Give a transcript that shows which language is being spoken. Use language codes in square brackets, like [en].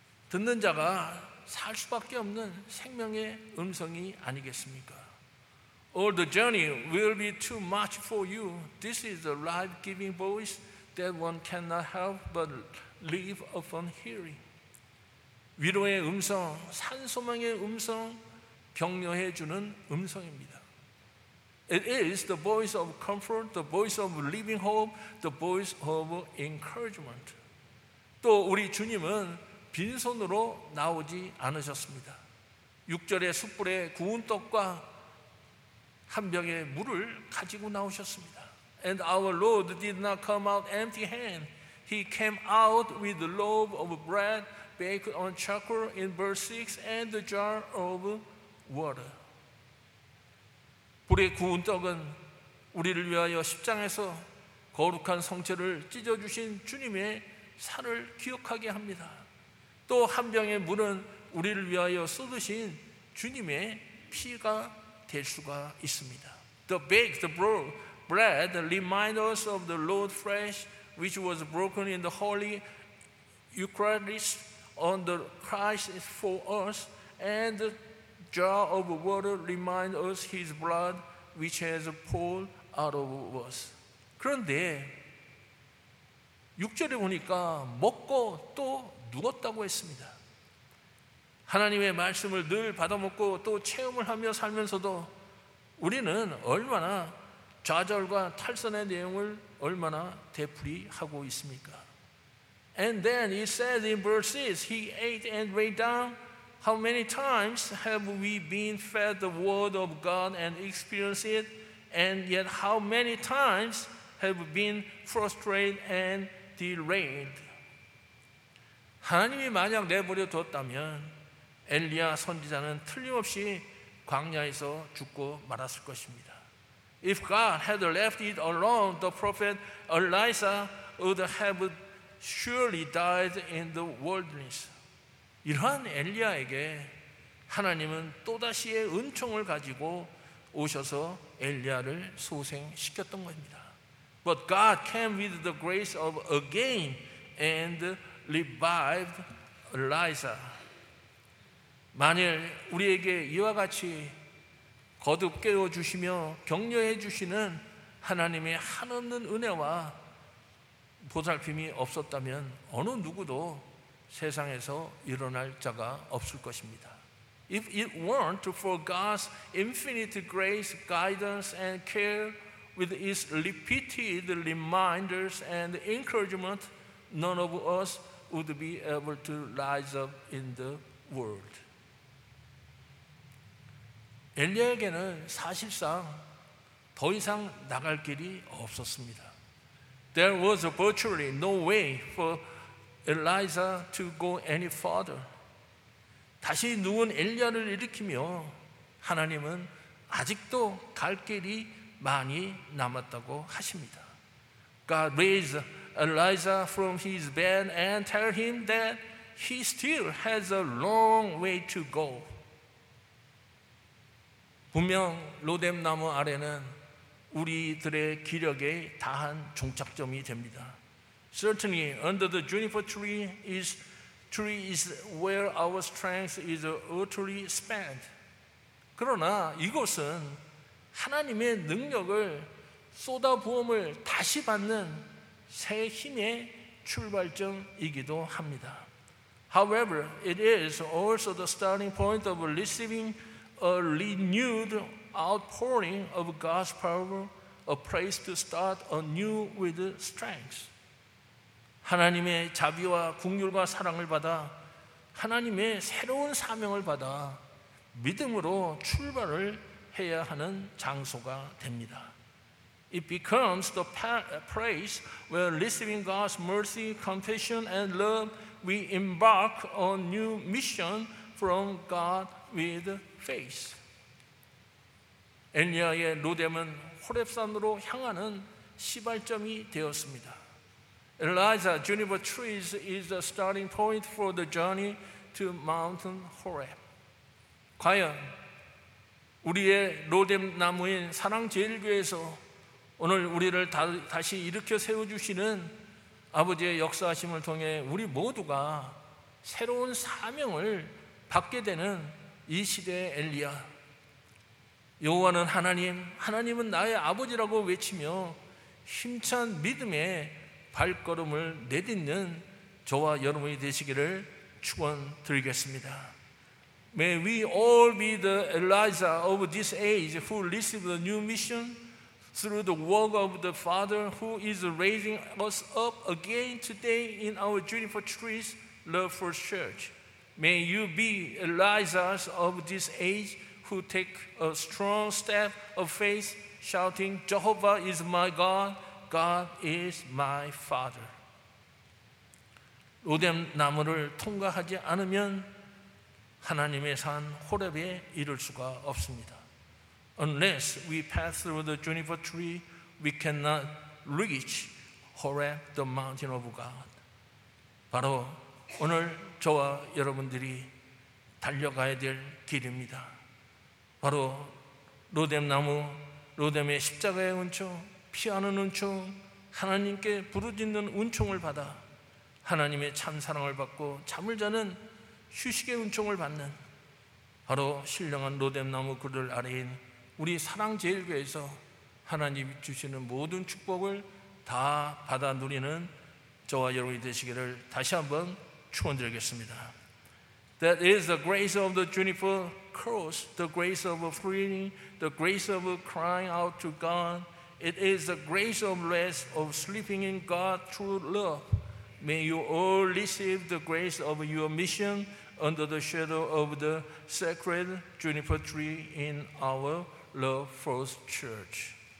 [ko] 듣는 자가 살 수밖에 없는 생명의 음성이 아니겠습니까? [en] Or the journey will be too much for you. This is a life-giving voice that one cannot help but live upon hearing. [ko] 위로의 음성, 산소망의 음성, 격려해 주는 음성입니다. [en] It is the voice of comfort, the voice of living hope, the voice of encouragement. [ko] 또 우리 주님은 빈손으로 나오지 않으셨습니다. 6절의 숯불에 구운 떡과 한 병의 물을 가지고 나오셨습니다. [en] And our Lord did not come out empty hand. He came out with the loaf of bread baked on charcoal in verse 6 and the jar of water. [ko] 불에 구운 떡은 우리를 위하여 십장에서 거룩한 성체를 찢어주신 주님의 살을 기억하게 합니다. 또 한 병의 물은 우리를 위하여 쏟으신 주님의 피가 될 수가 있습니다. [en] The baked bread reminds us of the Lord's flesh which was broken in the Holy Eucharist on the Christ for us and the jar of water reminds us his blood which has poured out of us. [ko] 그런데 6절에 보니까 먹고 또 누웠다고 했습니다. 하나님의 말씀을 늘 받아먹고 또 체험을 하며 살면서도 우리는 얼마나 좌절과 탈선의 내용을 얼마나 되풀이하고 있습니까? [en] And then he says in verse 6, he ate and weighed down. How many times have we been fed the word of God and experienced it, and yet how many times have we been frustrated and derailed? [ko] 하나님이 만약 내버려 두었다면 엘리야 선지자는 틀림없이 광야에서 죽고 말았을 것입니다. [en] If God had left it alone, the prophet Elisha would have surely died in the wilderness. [ko] 이러한 엘리야에게 하나님은 또다시의 은총을 가지고 오셔서 엘리야를 소생시켰던 겁니다. [en] But God came with the grace of again and revived Elisha. [ko] 만일 우리에게 이와 같이 거듭 깨워주시며 격려해 주시는 하나님의 한없는 은혜와 보살핌이 없었다면 어느 누구도 세상에서 일어날 자가 없을 것입니다. [en] If it weren't for God's infinite grace, guidance, and care with its repeated reminders and encouragement, none of us would be able to rise up in the world. [ko] 엘리야에게는 사실상 더 이상 나갈 길이 없었습니다. [en] There was virtually no way for Elijah to go any further. [ko] 다시 누운 엘리야를 일으키며 하나님은 아직도 갈 길이 많이 남았다고 하십니다. [en] God raised Elijah from his bed and tell him that he still has a long way to go. [ko] 분명 로뎀나무 아래는 우리들의 기력에 다한 종착점이 됩니다. [en] Certainly under the juniper tree is where our strength is utterly spent. [ko] 그러나 이것은 하나님의 능력을 쏟아부음을 다시 받는 새 힘의 출발점이기도 합니다. [en] However, it is also the starting point of receiving a renewed outpouring of God's power, a place to start anew with strength. [ko] 하나님의 자비와 긍휼과 사랑을 받아 하나님의 새로운 사명을 받아 믿음으로 출발을 해야 하는 장소가 됩니다. [en] It becomes the place where receiving God's mercy, compassion, and love, we embark on a new mission from God with faith. [ko] 엘리야의 로뎀은 호렙산으로 향하는 시발점이 되었습니다. [en] Elijah, juniper trees is the starting point for the journey to Mount Horeb. [ko] 과연 우리의 로뎀 나무인 사랑 제일교회에서 오늘 우리를 다시 일으켜 세워주시는 아버지의 역사하심을 통해 우리 모두가 새로운 사명을 받게 되는 이 시대의 엘리야, 여호와는 하나님, 하나님은 나의 아버지라고 외치며 힘찬 믿음의 발걸음을 내딛는 저와 여러분이 되시기를 축원드리겠습니다. [en] May we all be the Elijah of this age who received a new mission through the work of the Father who is raising us up again today in our juniper trees, Love First Church. May you be Elijahs of this age who take a strong step of faith, shouting, Jehovah is my God, God is my Father. [ko] 로뎀 나무를 통과하지 않으면 하나님의 산 호렙에 이를 수가 없습니다. [en] Unless we pass through the juniper tree, we cannot reach Horeb, the mountain of God. [ko] 바로 오늘 저와 여러분들이 달려가야 될 길입니다. 바로 로뎀 나무, 로뎀의 십자가의 은총, 피하는 은총, 하나님께 부르짖는 은총을 받아 하나님의 참 사랑을 받고 잠을 자는 휴식의 은총을 받는 바로 신령한 로뎀나무 그늘 아래인 우리 사랑제일교회에서 하나님이 주시는 모든 축복을 다 받아 누리는 저와 여러분이 되시기를 다시 한번 축원드리겠습니다. [en] That is the grace of the juniper cross, the grace of freeing, the grace of crying out to God. It is the grace of rest, of sleeping in God through love. May you all receive the grace of your mission under the shadow of the sacred juniper tree in our Love First Church.